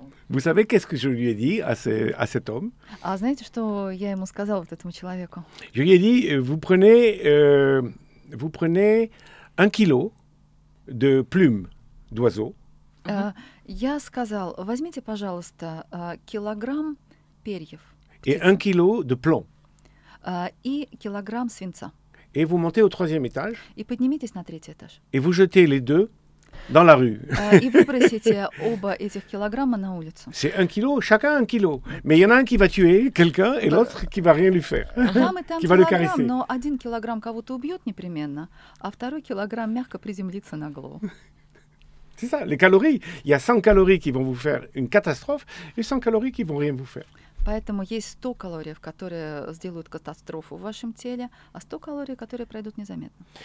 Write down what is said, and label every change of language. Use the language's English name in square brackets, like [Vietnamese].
[Russian] Вы знаете, [French] qu'est-ce que je lui ai dit à cet homme? [Russian] А знаете, что я ему сказал вот этому человеку? [French] Je lui ai dit, vous prenez un kilo de plumes d'oiseau. [Russian] Я сказал, возьмите, пожалуйста, килограмм перьев. [French] Et un kilo de plomb. [Russian] И килограмм свинца. [French] Et vous montez au troisième étage. [Russian] И поднимитесь на третий этаж. [French] Et vous jetez les deux dans la rue. [Russian] И выбросите оба этих килограмма на улицу. [French] C'est un kilo, chacun un kilo. Mais il y en a un qui va tuer quelqu'un et l'autre qui va rien lui faire. Qui va le caresser. [Russian] Но один килограмм кого-то убьет непременно, а второй килограмм мягко приземлится на голову. [French] C'est ça, les calories. Il y a 100 calories qui vont vous faire une catastrophe et 100 calories qui vont rien vous faire. [Russian] Поэтому есть 100 калорий, которые сделают катастрофу в вашем теле, а 100 калорий, которые пройдут незаметно.